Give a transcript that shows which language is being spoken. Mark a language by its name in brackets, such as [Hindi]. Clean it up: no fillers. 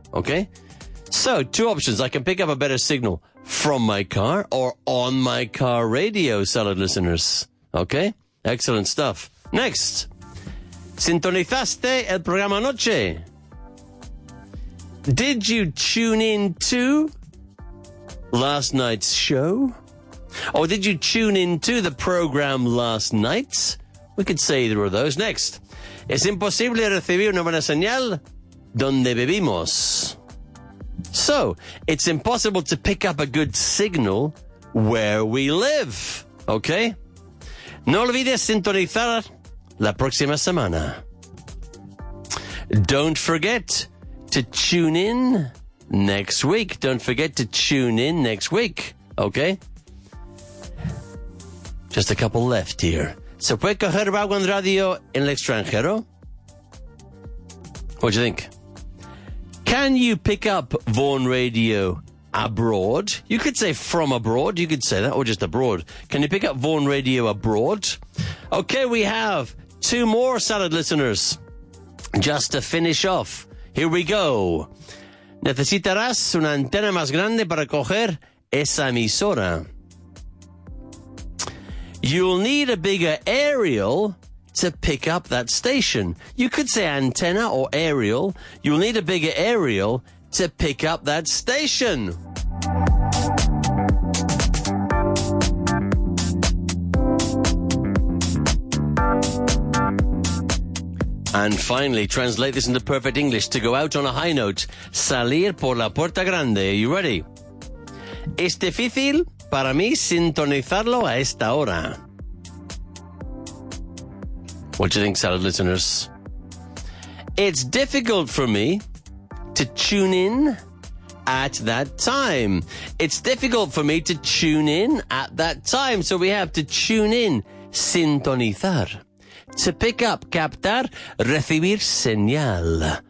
[English] Okay? So, two options. I can pick up a better signal from my car or on my car radio, salad listeners. Okay? Excellent stuff. Next. [Spanish] ¿Sintonizaste el programa anoche? [English] Did you tune in to last night's show? Or did you tune in to the program last night? We could say either of those. Next. [Spanish] Es imposible recibir una buena señal donde vivimos. [English] So, it's impossible to pick up a good signal where we live. [Spanish] Okay? No olvides sintonizar la próxima semana. [English] Don't forget to tune in next week. Don't forget to tune in next week. Okay? Just a couple left here. [Spanish] ¿Se puede coger Vagon Radio en el extranjero? [English] What do you think? Can you pick up Vaughan Radio abroad? You could say from abroad. You could say that, or just abroad. Can you pick up Vaughan Radio abroad? Okay, we have two more salad listeners just to finish off. Here we go. [Spanish] ¿Necesitarás una antena más grande para coger esa emisora? [English] You'll need a bigger aerial to pick up that station. You could say antenna or aerial. You'll need a bigger aerial to pick up that station. And finally, translate this into perfect English. To go out on a high note, salir por la puerta grande. Are you ready? [Spanish] Es difícil para mí sintonizarlo a esta hora. [English] What do you think, salad listeners? It's difficult for me to tune in at that time. It's difficult for me to tune in at that time. So we have to tune in, sintonizar, to pick up, captar, recibir señal.